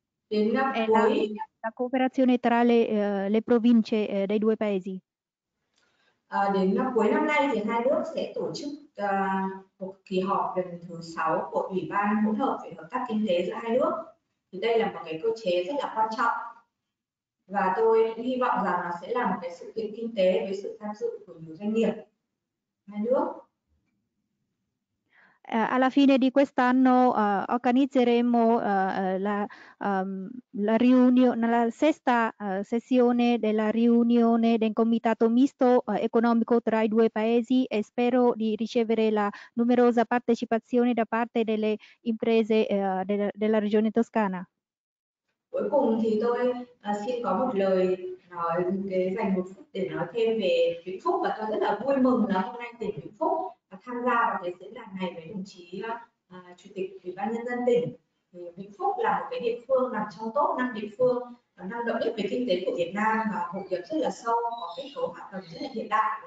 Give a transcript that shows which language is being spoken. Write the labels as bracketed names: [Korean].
[Italian] La cooperazione tra le province dei due paesi. [Vietnamese] Đến cuối năm nay thì hai nước sẽ tổ chức một kỳ họp lần thứ 6 của Ủy ban hỗn hợp về hợp tác kinh tế giữa hai nước. Thì đây là một cái cơ chế rất là quan trọng và tôi hy vọng rằng nó sẽ là một cái sự kiện kinh tế với sự tham dự của nhiều doanh nghiệp hai nước. [Italian] Alla fine di quest'anno organizzeremo la sesta sessione della riunione del comitato misto economico tra i due paesi e spero di ricevere la numerosa partecipazione da parte delle imprese della regione toscana. [Vietnamese] Cuối cùng thì tôi xin có một lời nói, dành một phút để nói thêm về Vĩnh Phúc và tôi rất là vui mừng là hôm nay tỉnh Vĩnh Phúc tham gia vào cái diễn đàn này với đồng chí Chủ tịch Ủy ban Nhân dân tỉnh. Thì Vĩnh Phúc là một cái địa phương nằm trong top 5 địa phương năng động nhất về kinh tế của Việt Nam và hội nhập rất là sâu, có kết cấu hạ tầng rất là hiện đại.